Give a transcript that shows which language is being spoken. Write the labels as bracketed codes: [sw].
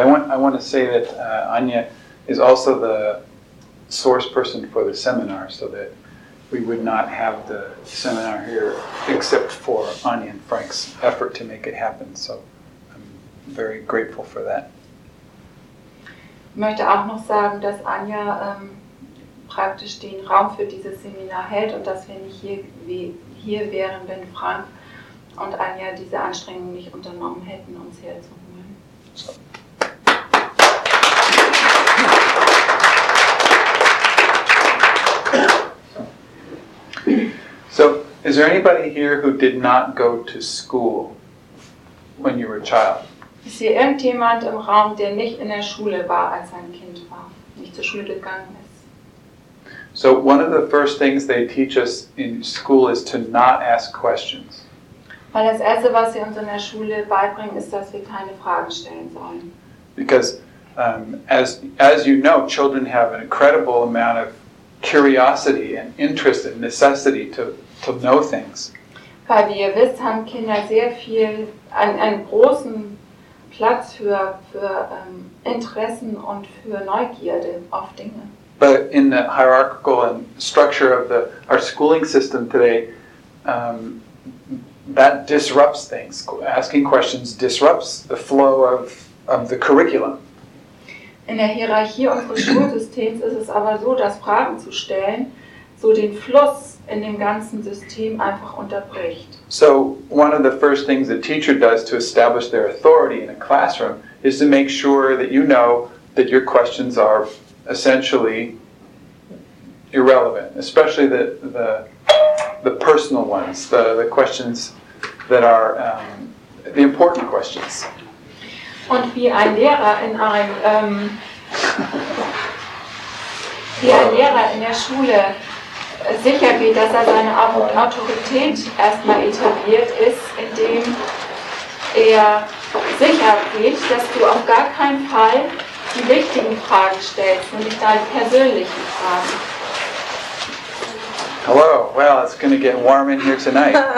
[en] I want to say that Anya is also the source person for the seminar, so that we would not have the seminar here except for Anya and Frank's effort to make it happen. So I'm very grateful for that. [de] Ich möchte auch noch sagen, dass Anya praktisch den Raum für dieses Seminar hält und dass wir nicht hier wären, wenn Frank und Anja diese Anstrengung nicht unternommen hätten, uns herzuholen. [en] So, is there anybody here who did not go to school when you were a child? [de] Ist hier irgendjemand im Raum, der nicht in der Schule war, als ein Kind war, nicht zur Schule gegangen ist? [en] So, one of the first things they teach us in school is to not ask questions. [de] Weil das Erste, was sie uns in der Schule beibringen, ist, dass wir keine Fragen stellen sollen. [en] Because, as you know, children have an incredible amount of curiosity and interest and necessity to know things. [de] Weil, wie ihr wisst, haben Kinder sehr viel, einen großen Platz für Interessen und für Neugierde auf Dinge. [en] But in the hierarchical and structure of our schooling system today, that disrupts things. Asking questions disrupts the flow of the curriculum. [de] In der Hierarchie unseres Schulsystems ist es aber so, dass Fragen zu stellen so den Fluss in dem ganzen System einfach unterbricht. [en] So one of the first things a teacher does to establish their authority in a classroom is to make sure that you know that your questions are essentially irrelevant, especially the personal ones, the questions that are the important questions. [de] Und wie ein Lehrer in einem wie ein Lehrer in der Schule sicher geht, dass seine Autorität erstmal etabliert ist, indem sicher geht, dass du auf gar keinen Fall die wichtigen Fragen stellst, nämlich deine persönlichen Fragen. [en] Hello. Well, it's going to get warm in here tonight.